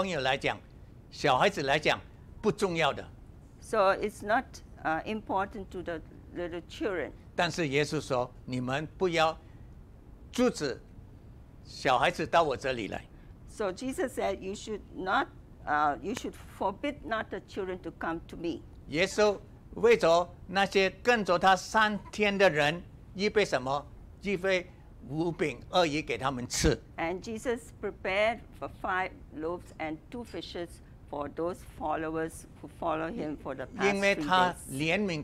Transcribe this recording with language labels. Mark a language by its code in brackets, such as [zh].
[zh] 当时他们不惜,对这个小朋友来讲,小孩子来讲,不重要的。 [en] So it's not important to the little children. [zh] 但是耶稣说,你们不要阻止小孩子到我这里来。 [en] So Jesus said, you should not, you should forbid not the children to come to me. [zh] 耶稣为着那些跟着他三天的人,预备什么?预备五饼二鱼给他们吃。 [en] And Jesus prepared for 5 loaves and 2 fishes for those followers who follow him for the past 3 days.